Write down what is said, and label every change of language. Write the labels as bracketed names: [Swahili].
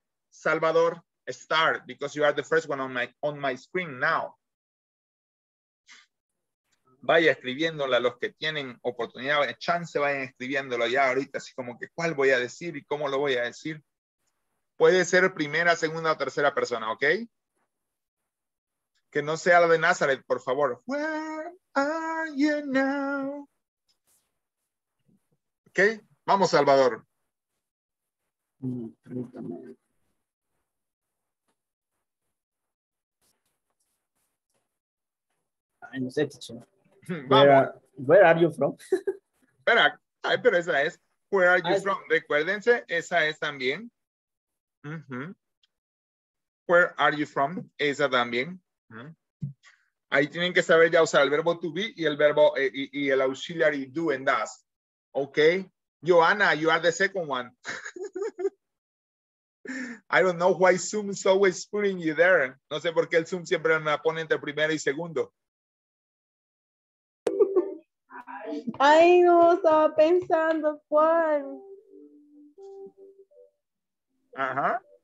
[English] Salvador, start because you are the first one on my screen now. [Spanish] Vaya escribiéndola, los que tienen oportunidad, chance, vayan escribiéndolo ya ahorita, así como que cuál voy a decir y cómo lo voy a decir. Puede ser primera, segunda o tercera persona, ¿ok? Que no sea la de Nazaret, por favor. [English] Where are you now? [Spanish] Ok, vamos, Salvador. Ay, no sé, [English] teacher. Where are you from? [Spanish] Espera, pero esa es. [English] Where are you from? [Spanish] Recuérdense, esa es también. Uh-huh. [English] Where are you from? [Spanish] Esa también. Uh-huh. Ahí tienen que saber ya usar el verbo to be y el verbo y el [English] auxiliary do and does. [Spanish] Ok. [English] Joanna, you are the second one. I don't know why Zoom is always putting you there. [Spanish] No sé por qué el Zoom siempre me pone entre primero y segundo. Ay, no, estaba pensando cuál. Ajá.